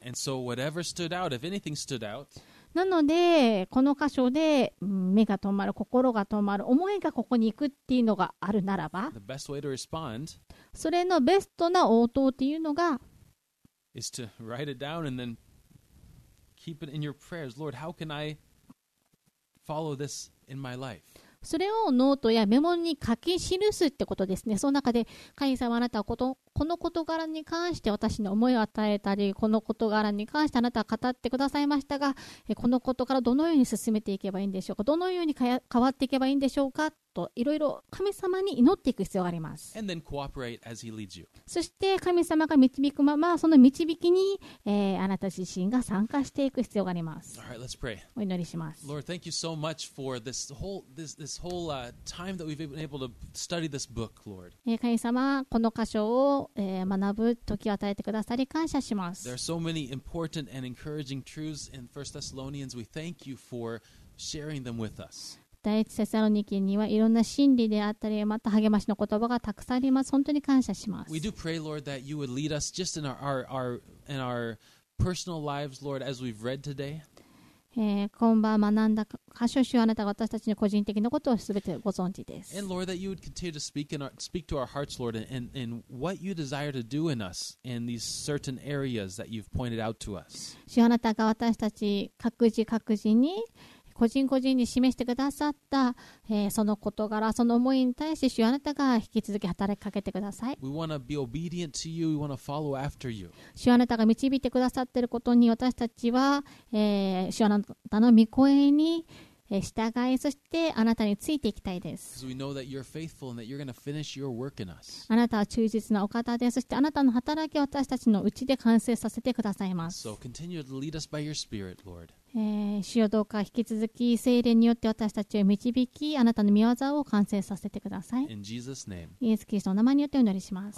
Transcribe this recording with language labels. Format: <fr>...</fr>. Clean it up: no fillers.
<en>And so whatever stood out, if anything stood out,</en> <ja>なのでこの箇所で目が止まる、心が止まる、思いがここに行くっていうのがあるならば、</ja> <en>the best way to respond,</en> <ja>それのベストな応答っていうのが</ja> <en>is to write it down and then keep it in your prayers. Lord, how can I follow this in my life?</en> <ja>それをノートやメモに書き記すってことですね。その中で神様あなたはこの事柄に関して私に思いを与えたり、この事柄に関してあなたは語ってくださいましたが、この事柄どのように進めていけばいいんでしょうか、どのように変わっていけばいいんでしょうかと、いろいろ神様に祈っていく必要があります。</ja> <en>And then cooperate as he leads you.</en> <ja>そして神様が導くまま、その導きに、あなた自身が参加していく必要があります。</ja> <en>All right, let's pray.</en> <ja>お祈りします。</ja> <en>Lord, thank you so much for this whole, this whole time that we've been able to study this book, Lord.</en> <ja>神様、この箇所を学ぶ時を与えてくださり感謝します。</ja> <en>There are so many important and encouraging truths in 1 Thessalonians. We thank you for sharing them with us.</en> <ja>第一セサロニキにはいろんな真理であったり、また励ましの言葉がたくさんあります。本当に感謝します。</ja> <en>We do pray, Lord, that you would lead us just in our personal lives, Lord, as we've read today.</en> <ja>今晩学んだ箇所主、あなたが私たちの個人的なことをすべてご存知です。</ja> <en>And Lord, that you would continue to speak to our hearts, Lord, and what you desire to do in us in these certain areas that you've pointed out to us.</en> <ja>主、あなたが私たち各自各自に個人個人に示してくださった、その事柄、その思いに対して、主、あなたが引き続き働きかけてください。</ja> <en>We want to be obedient to you. We want to follow after you.</en> <ja>主、あなたが導いてくださっていることに、私たちは、主、あなたの御声に従い、そしてあなたについていきたいです。</ja> <en>Because we know that you're faithful and that you're going to finish your work in us.</en> <ja>あなたは忠実なお方です。そしてあなたの働き、私たちのうちで完成させてくださいます。</ja> <en>So continue to lead us by your spirit, Lord.</en> <ja>主よ、どうか引き続き聖霊によって私たちを導き、あなたの御業を完成させてください。</ja> <en>In Jesus' name.</en> <ja>イエス・キリストの名前によってお祈りします。</ja>